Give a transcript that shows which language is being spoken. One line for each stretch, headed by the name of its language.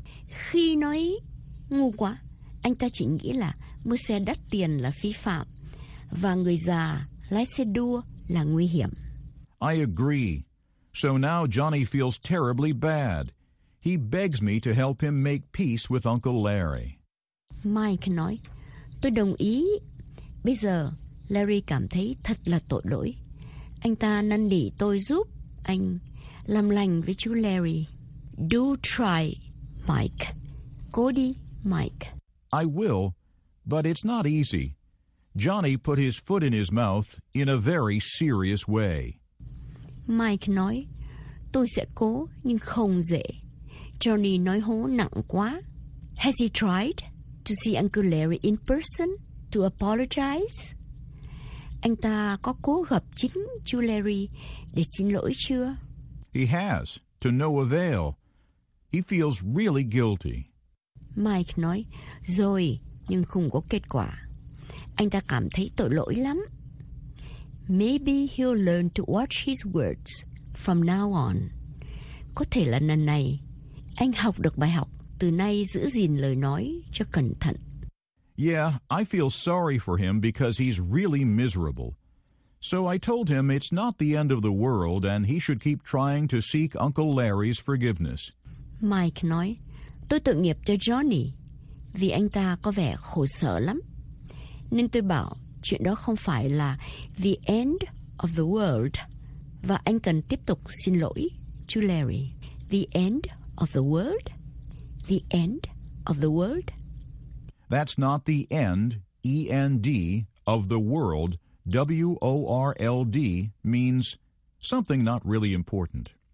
Vietnamese: Khi nói ngu quá, anh ta chỉ nghĩ là mua xe đắt tiền là phi phạm, và người già lái xe đua là nguy hiểm.
English: I agree. So now Johnny feels terribly bad. He begs me to help him make peace with Uncle Larry.
Vietnamese: Mike nói, tôi đồng ý. Bây giờ, Larry cảm thấy thật là tội lỗi. Anh ta năn nỉ tôi giúp anh làm lành với chú Larry.
English: Do try, Mike.
Vietnamese: Cố đi, Mike.
English: I will, but it's not easy. Johnny put his foot in his mouth in a very serious way.
Vietnamese: Mike nói, tôi sẽ cố, nhưng không dễ. Johnny nói hố nặng quá.
English: Has he tried to see Uncle Larry in person to apologize?
Vietnamese: Anh ta có cố gặp chính chú Larry để xin lỗi chưa?
English: He has, to no avail. He feels really guilty.
Vietnamese: Mike nói, rồi, nhưng không có kết quả. Anh ta cảm thấy tội lỗi lắm.
English: Maybe he'll learn to watch his words from now on.
Vietnamese: Có thể là lần này, anh học được bài học, từ nay giữ gìn lời nói cho cẩn thận.
English: Yeah, I feel sorry for him because he's really miserable. So I told him it's not the end of the world and he should keep trying to seek Uncle Larry's forgiveness.
Vietnamese: Mike nói, tôi tội nghiệp cho Johnny vì anh ta có vẻ khổ sở lắm. Nên tôi bảo, chuyện đó không phải là
English: the end of the world
Vietnamese: và anh cần tiếp tục xin lỗi chú Larry.
English: The end of the world? The end of the world? That's not the end, E-N-D, of the world, W-O-R-L-D, means something not really important.